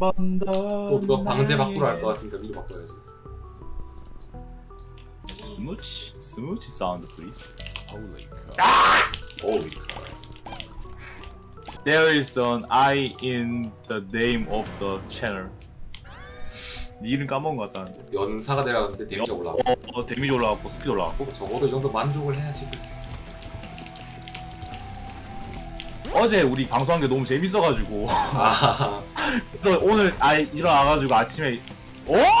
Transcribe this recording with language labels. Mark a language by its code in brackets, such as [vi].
[ko] 또 그거 방제 바꾸러 갈 것 같으니까 미리 바꿔야지. [en] 스무치 스무치 사운드 플리즈. [ko] 홀리 카. 홀리 카. [en] There is an I in the name of the channel. [ko] 네 이름 까먹은 것 같다는데. 연사가 내려갔는데 데미지 올라가고. 데미지 올라가고 스피드 올라가고. 적어도 이 정도 만족을 해야지. 어제 우리 방송한 게 너무 재밌어가지고. 그래서 오늘 일어나가지고 아침에 오.